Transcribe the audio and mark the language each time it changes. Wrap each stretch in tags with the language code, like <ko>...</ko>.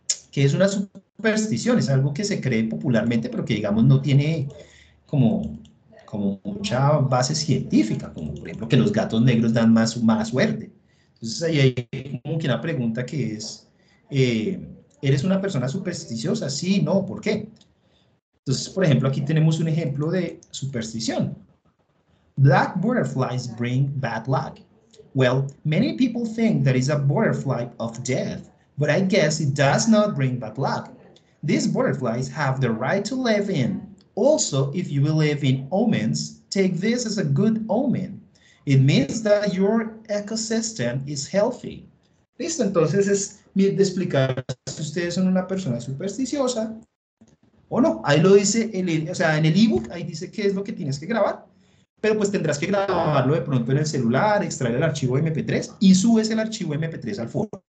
<es>¿Qué es una superstición? Es algo que se cree popularmente, pero que digamos no tiene como mucha base científica, como por ejemplo que los gatos negros dan más mala suerte. Entonces ahí hay como que una pregunta que es, ¿eres una persona supersticiosa? Sí, no, ¿por qué? Entonces, por ejemplo, aquí tenemos un ejemplo de superstición.</es> <en>Black butterflies bring bad luck. Well, many people think that is a butterfly of death, but I guess it does not bring bad luck. These butterflies have the right to live in. Also, if you believe in omens, take this as a good omen. It means that your ecosystem is healthy.</en> <es>Listo, entonces es mi de explicar si ustedes son una persona supersticiosa o no. Ahí lo dice, en el ebook, ahí dice qué es lo que tienes que grabar. Pero pues tendrás que grabarlo de pronto en el celular, extraer el archivo MP3 y subes el archivo MP3 al foro.</es>